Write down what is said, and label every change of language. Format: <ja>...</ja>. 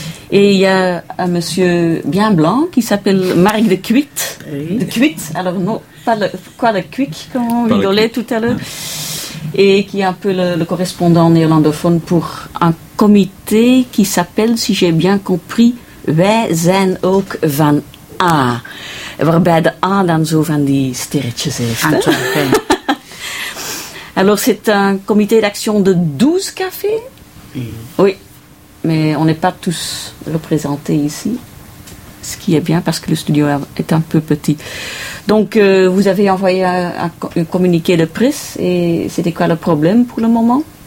<fr>Et il y a un monsieur bien blanc qui s'appelle Marc de Kuit. Oui. De Kuit, alors non, pas le, quoi le Kuit, comme on rigolait tout à l'heure. Et qui est un peu le correspondant néerlandophone pour un comité qui s'appelle, si j'ai bien compris, Wij zijn ook van A.</fr> <nl>Waarbij de A dan zo van die sterretjes heeft.</nl> <fr>Alors, c'est un comité d'action de 12 cafés. Mm-hmm. Oui, mais on n'est pas tous représentés ici. Ce qui est bien parce que le studio est un peu petit. Donc, vous avez envoyé un communiqué de presse et c'était quoi le problème pour le moment?</fr>